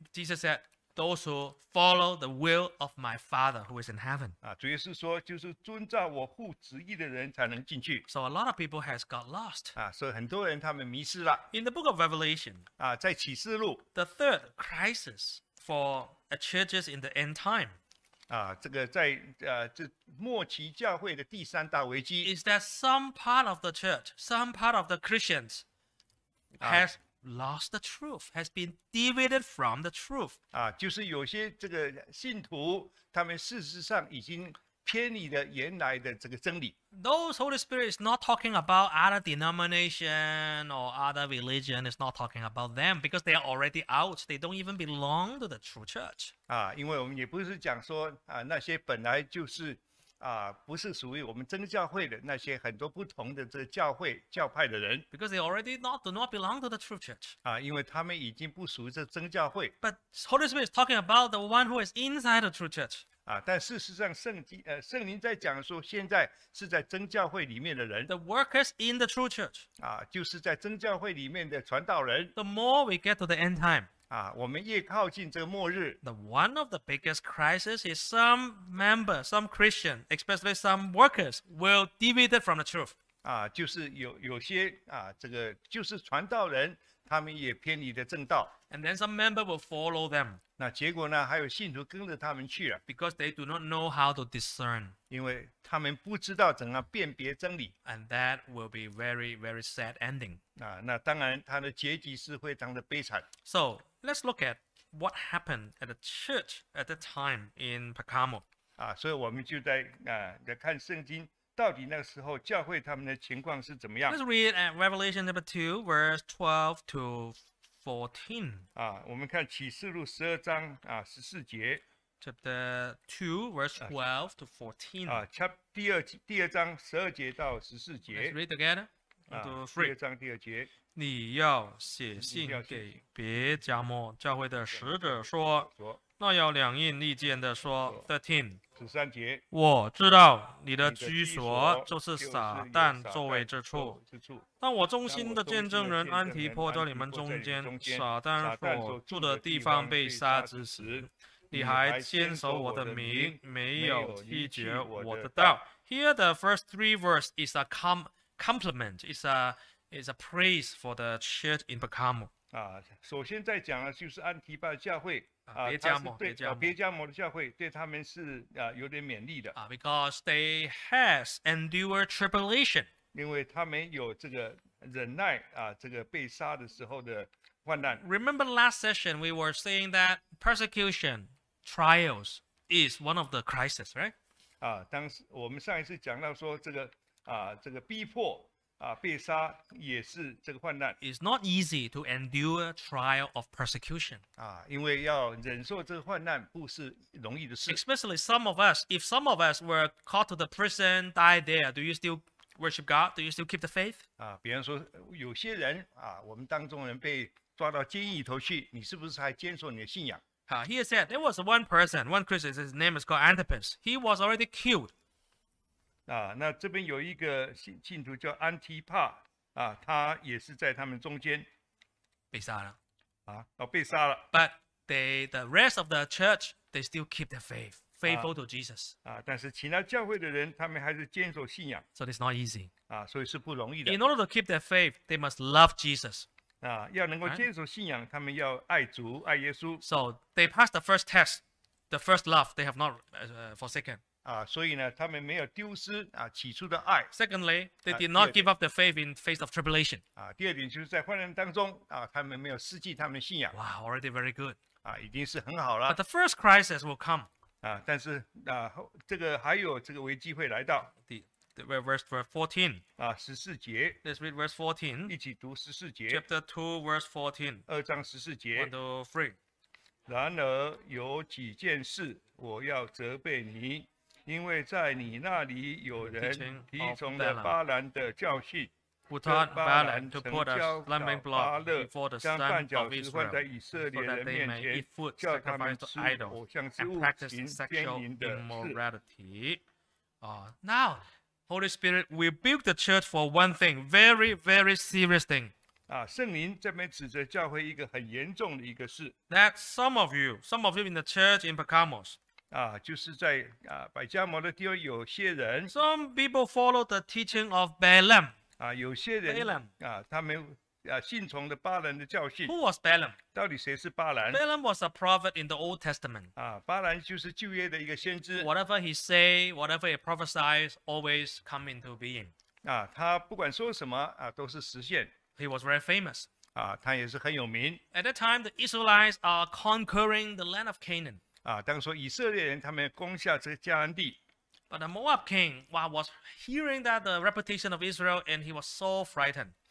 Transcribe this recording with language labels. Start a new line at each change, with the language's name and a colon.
English: Jesus said, those who follow the will of my Father who is in heaven.
Chinese: 主耶稣说就是遵照我父旨意的人才能进去。
English: So a lot of people has got lost.
Chinese: 所以很多人他们迷失了。
English: In the book of Revelation,
Chinese: 在启示录
English: the third crisis for a churches in the end time,
Chinese: 这个在这末期教会的第三大危机
English: is that some part of the church, some part of the Christians has lost the truth, has been deviated from the truth.
Chinese: 就是有些这个信徒，他们事实上已经偏离了原来的这个真理。
English: Those Holy Spirit is not talking about other denomination or other religion. It's not talking about them because they are already out. They don't even belong to the true church.
Chinese: 因为我们也不是讲说那些本来就是不是属于我们真教会的那些很多不同的这个教会教派的人
English: ，because they already do not belong to the true church.
Chinese: 因为他们已经不属于这真教会。
English: But Holy Spirit is talking about the one who is inside the true church.
Chinese: 但事实上圣灵在讲说现在是在真教会里面的人
English: ，the workers in the true church.
Chinese: 就是在真教会里面的传道人。
English: The more we get to the end time.
Chinese: 我们越靠近这个末日
English: the one of the biggest crises is some members, some Christian, especially some workers, will deviate from the truth.
Chinese: 就是有些这个就是传道人，他们也偏离了正道。
English: And then some member will follow them.
Chinese: 那结果呢？还有信徒跟着他们去了。
English: Because they do not know how to discern.
Chinese: 因为他们不知道怎样辨别真理。
English: And that will be very, very sad ending.
Chinese: 那当然，他的结局是非常的悲惨。
English: So let's look at what happened at the church at the time in Pergamo.
Chinese: 所以我们就在看圣经，到底那个时候教会他们的情况是怎么样。
English: Let's read at Revelation number 2, verse 12 to 14.
Chinese: 我们看启示录十二章十四节。
English: Chapter 2, verse 12 to 14. Chapter 2,
Chinese: 第二章十二节到十四节。
English: Let's read together.
Chinese: 第二章第二节。你要写信给别加摩教会的使者说，那要两印利剑的说 ，13 十三节，我知道你的居所就是撒旦座位之处，但我忠心的见证人安提坡在你们中间，撒旦所住的地方被杀之时，你还坚守我的名，没有弃绝我的道。
English: Here the first three verse is a compliment. It's a praise for the church in Pergamo.
Chinese: 首先在讲的就是安提帕教会别加摩的教会对他们是有点勉励的。
English: Because they has endured tribulation.
Chinese: 因为他们有这个忍耐这个被杀的时候的患难。
English: Remember last session we were saying that persecution, trials is one of the crises, right?
Chinese: 当时我们上一次讲到说这个逼迫被杀也是这个患难。
English: It's not easy to endure trial of persecution.
Chinese: 因为要忍受这个患难不是容易的事。
English: Especially some of us, if some of us were caught to the prison, died there, do you still worship God? Do you still keep the faith?
Chinese: 比方说有些人我们当中人被抓到监狱里头去，你是不是还坚守你的信仰？
English: He said there was one person, one Christian, his name is called Antipas. He was already killed.
Chinese: 那这边有一个信徒叫安提帕他也是在他们中间被杀了被杀了。
English: But the rest of the church they still keep their faithful to Jesus.
Chinese: 但是其他教会的人他们还是坚守信仰。
English: So it's not easy.
Chinese: 所以是不容易的。
English: In order to keep their faith, they must love Jesus.
Chinese: 要能够坚守信仰，他们要爱主爱耶稣。
English: So they passed the first test, the first love they have not forsaken.
Chinese: 所以呢他们没有丢失起初的爱。
English: Secondly, they did not give up the faith in face of tribulation.
Chinese: 第二点就是在患难当中他们没有失去他们的信仰。
English: Wow, already very good.
Chinese: 已经是很好了。
English: But the first crisis will come.
Chinese: 但是这个还有这个危机会来到。
English: Verse 14.
Chinese: 十四节。
English: Let's read verse 14.
Chinese: 一起读十四节。
English: Chapter 2, verse 14.
Chinese: 二章十四节。
English: 1 to 3.
Chinese: 然而有几件事我要责备你，因为在你那里有人提从了巴兰的教训，不但巴兰成交巴勒，将绊脚石放在以色列人面前，叫他们吃偶像之物，行奸淫的事。
English: Now, Holy Spirit will build the church for one thing, very, very serious thing.
Chinese: 啊，圣灵这边指着教会一个很严重的一个事。
English: That some of you in the church in Pergamos.
Chinese: 啊，就是在啊百加摩的地方有些人。
English: Some people follow the teaching of Balaam.
Chinese: 啊，有些人。
English: Balaam.
Chinese: 啊，他们啊信从了巴兰的教训。
English: Who was Balaam?
Chinese: 到底谁是巴兰
English: ？Balaam was a prophet in the Old Testament.
Chinese: 啊，巴兰就是旧约的一个先知。
English: Whatever he say, whatever he prophesies, always come into being.
Chinese: 啊，他不管说什么啊，都是实现。
English: He was very famous.
Chinese: 啊，他也是很有名。
English: At that time, the Israelites are conquering the land of Canaan.
Chinese: 啊，当说以色列人他们攻下这迦南地。
English: But the Moab king, wow, was hearing that the reputation of Israel, and he was so frightened.